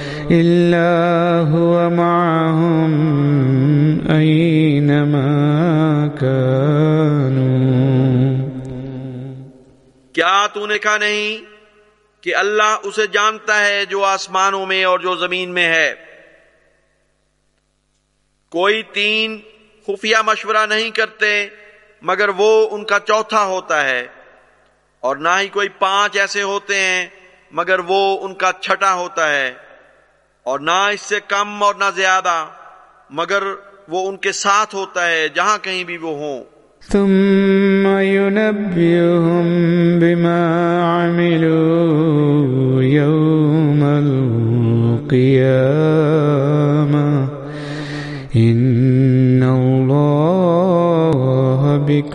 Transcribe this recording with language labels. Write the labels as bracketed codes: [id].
[ar] إلا هو معهم أينما كانوا. [ur] کیا تو نے کہا نہیں کہ اللہ اسے جانتا ہے جو آسمانوں میں اور جو زمین میں ہے. کوئی تین خفیہ مشورہ نہیں کرتے مگر وہ ان کا چوتھا ہوتا ہے اور نہ ہی کوئی پانچ ایسے ہوتے ہیں مگر وہ ان کا چھٹا ہوتا ہے اور نہ اس سے کم اور نہ زیادہ مگر وہ ان کے ساتھ ہوتا ہے جہاں کہیں بھی وہ ہوں. [ar] ثم ينبئهم بما عملوا يوم القيامة إن الله بك